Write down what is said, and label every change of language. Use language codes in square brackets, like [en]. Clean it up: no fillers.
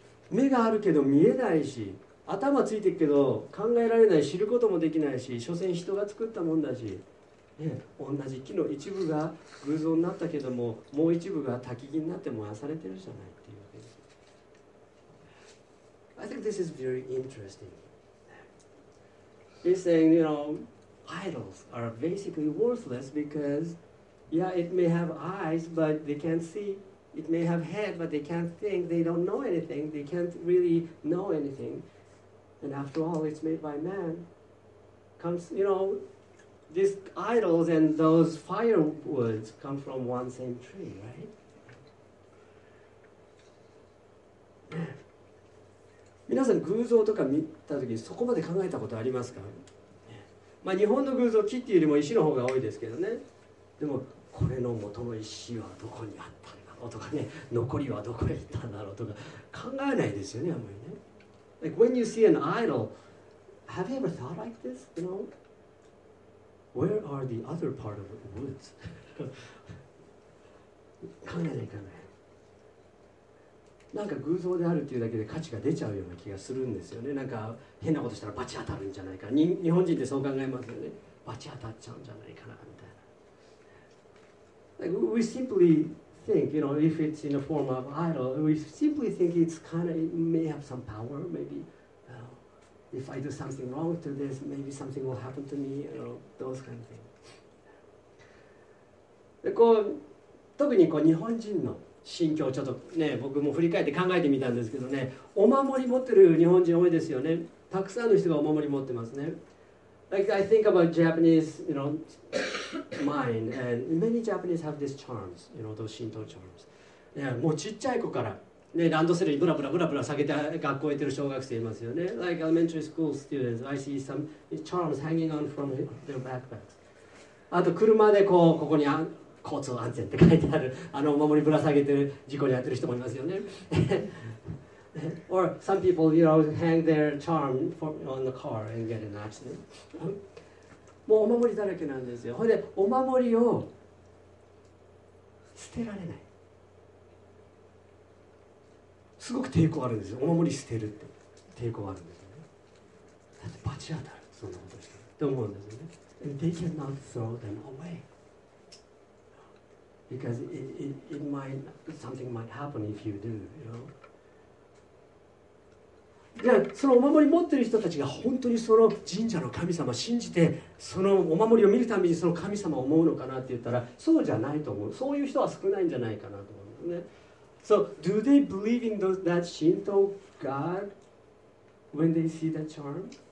[ja] 目があるけど見えないし、頭ついてるけど考えられない、知ることもできないし、所詮人が作ったもんだし、ね、同じ木の一部が偶像になったけども、もう一部が焚き木になって燃やされてるじゃないっていうわけです。 [en] I think this is very interesting. He's saying, you know, idols are basically worthless because, yeah, it may have eyes but they can't see. It may have head, but they can't think. They don't know anything. They can't really know anything. And after all, it's made by man. Comes, you know, these idols and those firewoods come from one same tree, right? [ja] 皆さん、偶像とか見たときにそこまで考えたことありますか？まあ、日本の偶像、木っていうよりも石の方が多いですけどね。でも、これの元の石はどこにあったの？とかね、残りはどこへ行ったんだろうとか考えないですよね、あんまりね。 [en] Like when you see an idol, have you ever thought like this? You know, where are the other part of the woods? [ja] 考えないかね。なんか偶像であるっていうだけで価値が出ちゃうような気がするんですよね。なんか変なことしたらバチ当たるんじゃないか。日本人ってそう考えますよね。バチ当たっちゃうんじゃないかなみたいな。 [en] Like we simplyThink, you know, if it's in the form of idol, we simply think it's kind of, it may have some power, maybe, you know, if I do something wrong to this, maybe something will happen to me, you know, those kind of things. [ja] で、こう、特にこう日本人の心境をちょっとね、僕も振り返って考えてみたんですけどね、お守り持ってる日本人多いですよね。たくさんの人がお守り持ってますね。 [en] Like, I think about Japanese, you know, mind, and many Japanese have these charms, you know, those Shinto charms. [ja] Yeah, もうちっちゃい子から、ね、ランドセルにブラブラブラブラ下げて学校行ってる小学生いますよね。 [en] Like elementary school students, I see some charms hanging on from their backpacks. [ja] あと車でこう、ここに交通安全って書いてある、あのお守りぶら下げてる、事故に遭ってる人もいますよね。 [en] Or some people, you know, hang their charm on the car and get an accident. [ja] もうお守りだらけなんですよ。ほんで、お守りを捨てられない。すごく抵抗あるんですよ。お守り捨てるって抵抗あるんですよね。だって罰当たる、そんなことしてると思うんですよね。 [en] And they cannot throw them away because it might, something might happen if you do, you know? [ja] そのお守り持ってる人たちが本当にその神社の神様を信じてそのお守りを見るたびにその神様を思うのかなって言ったら、そうじゃないと思う。そういう人は少ないんじゃないかなと思うんですね。 [en] So do they believe in that Shinto God when they see that charm?